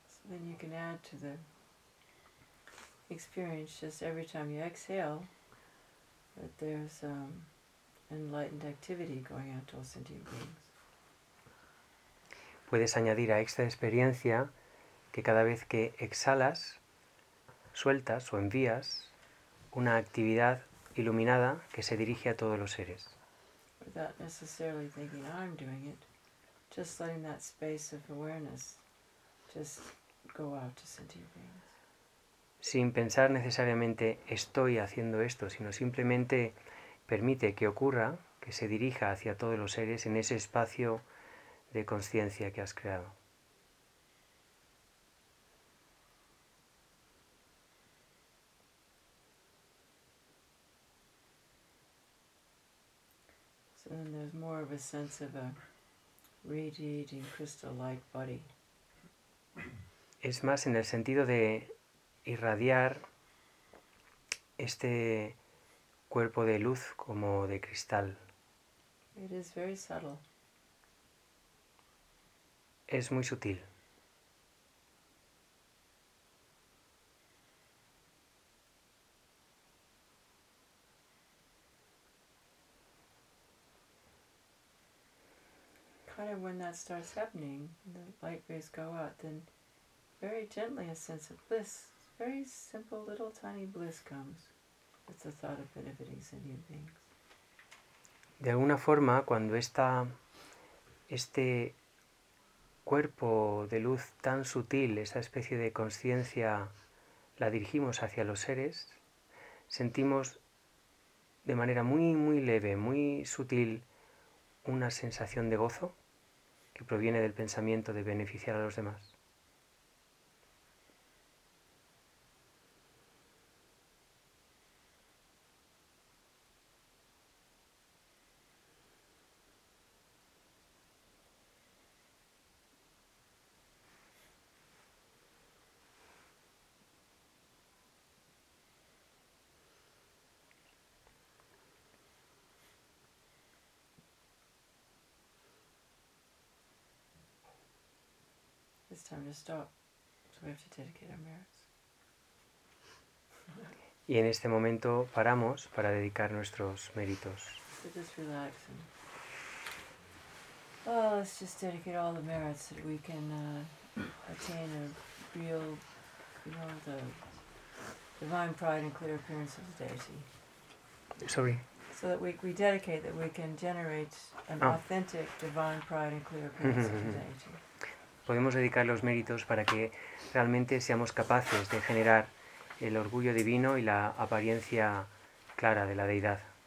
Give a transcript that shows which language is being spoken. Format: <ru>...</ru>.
<en>Then you can add to the experience just every time you exhale that there's enlightened activity going out to all sentient beings.</en> <es>Puedes añadir a esta experiencia que cada vez que exhalas, sueltas o envías una actividad iluminada que se dirige a todos los seres.</es> <en>Without necessarily thinking I'm doing it, just letting that space of awareness just go out to sentient beings.</en> <es>Sin pensar necesariamente estoy haciendo esto, sino simplemente permite que ocurra, que se dirija hacia todos los seres en ese espacio de conciencia que has creado.</es> <en>So then there's more of a sense of a radiating crystal light body.</en> <es>Es más en el sentido de irradiar este cuerpo de luz como de cristal.</es> <en>It is very subtle.</en> <es>Es muy sutil.</es> <en>Kind of when that starts happening, the light rays go out, then very gently a sense of bliss, very simple little tiny bliss comes with the thought of benefiting sentient beings.</en> <es>De alguna forma, cuando está este cuerpo de luz tan sutil, esa especie de conciencia, la dirigimos hacia los seres, sentimos de manera muy, muy leve, muy sutil, una sensación de gozo que proviene del pensamiento de beneficiar a los demás.</es> <en>It's time to stop, so we have to dedicate our merits.</en> <es>Y en este momento paramos para dedicar nuestros méritos.</es> <en>So just relax and, well, let's just dedicate all the merits so that we can attain a real, you know, the divine pride and clear appearance of the deity. Sorry. So that we dedicate, that we can generate an authentic divine pride and clear appearance of the deity.</en> <es>Podemos dedicar los méritos para que realmente seamos capaces de generar el orgullo divino y la apariencia clara de la deidad.</es>